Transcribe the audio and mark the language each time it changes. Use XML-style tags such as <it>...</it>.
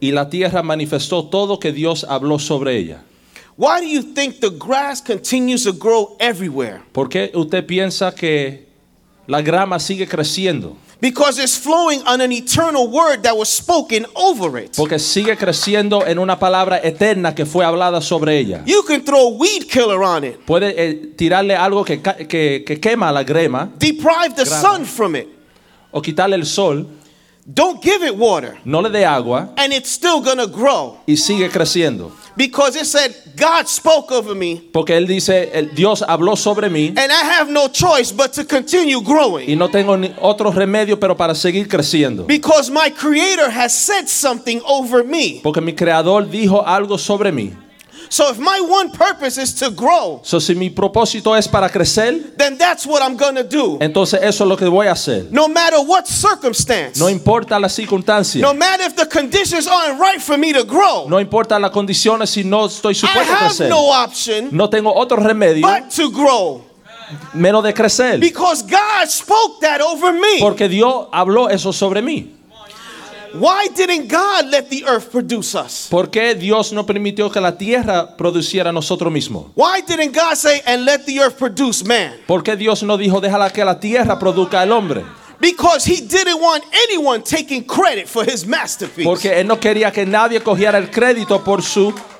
<es>Y la tierra manifestó todo que Dios habló sobre ella.</es> <en>Why do you think the grass continues to grow everywhere?</en> <es>¿Por qué usted piensa que la grama sigue creciendo?</es> <en>Because it's flowing on an eternal word that was spoken over it.</en> <es>Porque sigue creciendo en una palabra eterna que fue hablada sobre ella.</es> <en>You can throw weed killer on it.</en> <es>Puede tirarle algo que quema la grama.</es> <en>Deprive the sun from it.</en> <es>O quitarle el sol.</es> <en>Don't give it water.</en> <es>No le dé agua.</es> <en>And it's still gonna grow.</en> <es>Y sigue creciendo.</es> <en>Because it said, God spoke over me.</en> <es>Porque él dice, Dios habló sobre mí.</es> <en>And I have no choice but to continue growing.</en> <es>Y no tengo ni otro remedio pero para seguir creciendo.</es> <en>Because my creator has said something over me.</en> <es>Porque mi creador dijo algo sobre mí.</es> <en>So if my one purpose is to grow,</en> <es>so si mi propósito es para crecer,</es> <en>then that's what I'm gonna do.</en> <es>Entonces eso es lo que voy a hacer.</es> <en>No matter what circumstance,</en> <es>no importa la circunstancia,</es> <en>no matter if the conditions aren't right for me to grow,</en> <es>no importa las condiciones si no estoy supuesto a crecer,</es> <en>I have no option,</en> <es>no tengo otro remedio,</es> <en>but to grow.</en> <es>Menos de crecer.</es> <en>Because God spoke that over me.</en> <es>Porque Dios habló eso sobre mí.</es> <en>Why didn't God let the earth produce us?</en> <es>¿Por qué Dios no permitió que la tierra produciera nosotros mismos?</es> <en>Why didn't God say and let the earth produce man?</en> <es>¿Por qué Dios no dijo déjala que la tierra produzca el hombre?</es> <en>Because he didn't want anyone taking credit for his masterpiece.</en> <es>Porque él no quería que nadie cogiera el crédito por su.</es>